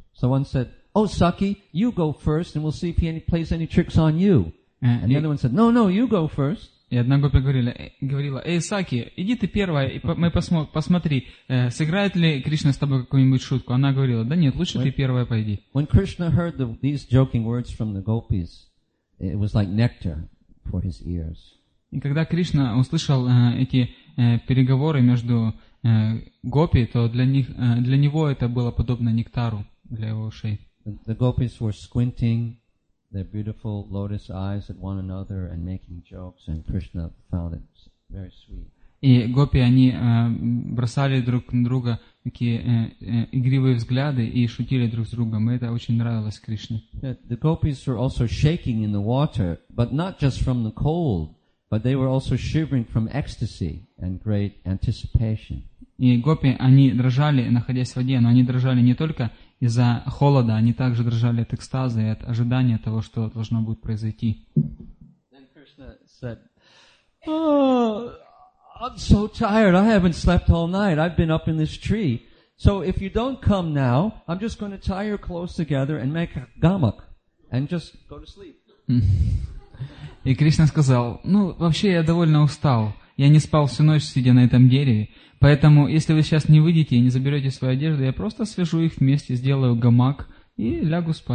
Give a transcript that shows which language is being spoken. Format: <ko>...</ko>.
<en>So one said, oh, Saki, you go first, and we'll see if he plays any tricks on you. And the other one said, no, no, you go first.</en> <ru>И одна гопи говорила, эй, Саки, иди ты первая, и мы посмотри, сыграет ли Кришна с тобой какую-нибудь шутку. Она говорила, да нет, лучше ты первая пойди.</ru> <en>When Krishna heard these joking words from the gopis, it was like nectar for his ears.</en> <ru>И когда Кришна услышал эти переговоры между гопи, то для него это было подобно нектару для его ушей.</ru> <en>The gopis were squinting their beautiful lotus eyes at one another and making jokes, and Krishna found it very sweet.</en> <ru>И гопи они бросали друг на друга такие игривые взгляды и шутили друг с другом. Это очень нравилось Кришне.</ru> <en>The gopis were also shaking in the water, but not just from the cold, but they were also shivering from ecstasy and great anticipation.</en> <ru>И гопи они дрожали, находясь в воде, но они дрожали не только из-за холода, они также дрожали от экстаза и от ожидания того, что должно будет произойти.</ru> <en>Then Krishna said, oh, I'm so tired, I haven't slept all night, I've been up in this tree. So if you don't come now, I'm just going to tie your clothes together and make a gamak and just go to sleep.</en> <ru>И Кришна сказал, ну, вообще я довольно устал. Я не спал всю ночь, сидя на этом дереве. Поэтому, если вы сейчас не выйдете и не заберете свою одежду, я просто свяжу их вместе, сделаю гамак и лягу</ru>